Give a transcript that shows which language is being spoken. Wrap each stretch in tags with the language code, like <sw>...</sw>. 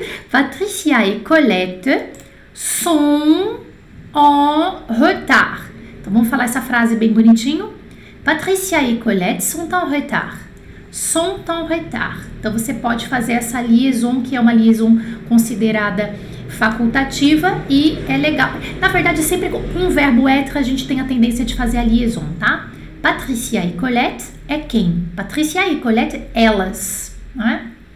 <fr>Patricia e Colette sont en retard.</fr> <pt>Então vamos falar essa frase bem bonitinho.</pt> <fr>Patricia e Colette sont en retard. Sont en retard.</fr> <pt>Então você pode fazer essa liaison, que é uma liaison considerada facultativa e é legal. Na verdade, sempre com o verbo être, a gente tem a tendência de fazer a liaison, tá? Patricia e Colette é quem? Patricia e Colette, elas, né?</pt>